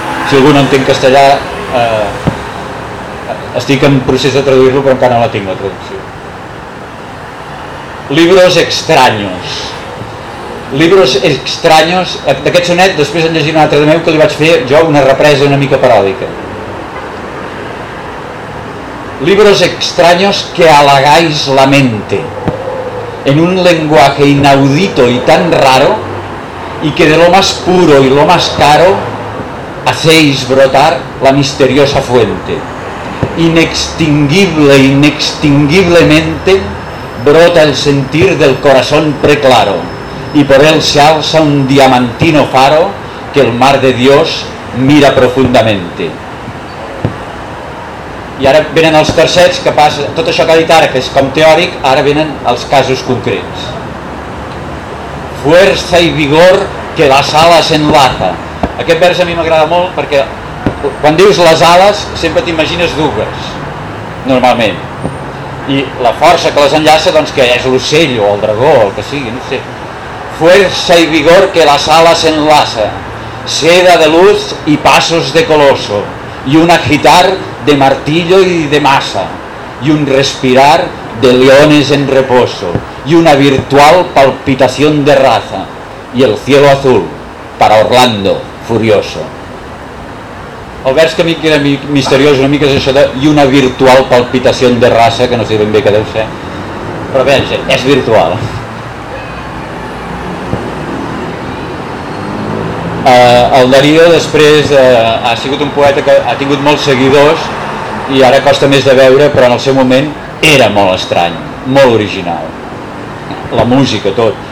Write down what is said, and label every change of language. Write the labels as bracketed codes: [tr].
[ca] Si algú no entén castellà, estic en procés de traduir-lo, però encara no la tinc, la traducció. [es] Libros extraños. Libros extraños, [ca] d'aquest sonet, després en llegir un altre de meu que li vaig fer jo una represa una mica paròdica. [es] Libros extraños que halagáis la mente en un lenguaje inaudito y tan raro, y que de lo más puro y lo más caro hacéis brotar la misteriosa fuente. Inextinguible, inextinguiblemente brota el sentir del corazón preclaro, y por él se alza un diamantino faro que el mar de Dios mira profundamente. [ca] I ara venen els tercets, que passa tot això que ha dit ara, que és com teòric, ara venen els casos concrets. [es] Fuerza y vigor que las alas enlaza. [ca] Aquest vers a mi m'agrada molt perquè quan dius les ales sempre t'imagines dues, normalment. I la força que les enllaça, doncs, que és l'ocell o el dragó o el que sigui, no sé. [es] Fuerza y vigor que las alas enlaza, seda de luz y pasos de coloso, y una guitarra de martillo y de masa, y un respirar de leones en reposo, y una virtual palpitación de raza, y el cielo azul para Orlando furioso. [ca] El vers que a mi queda misteriós una mica és això de i una virtual palpitació de raça, que no sé ben bé què deu ser, però veja, és virtual. El Darío després ha sigut un poeta que ha tingut molts seguidors i ara costa més de veure, però en el seu moment era molt estrany, molt original. La música, tot.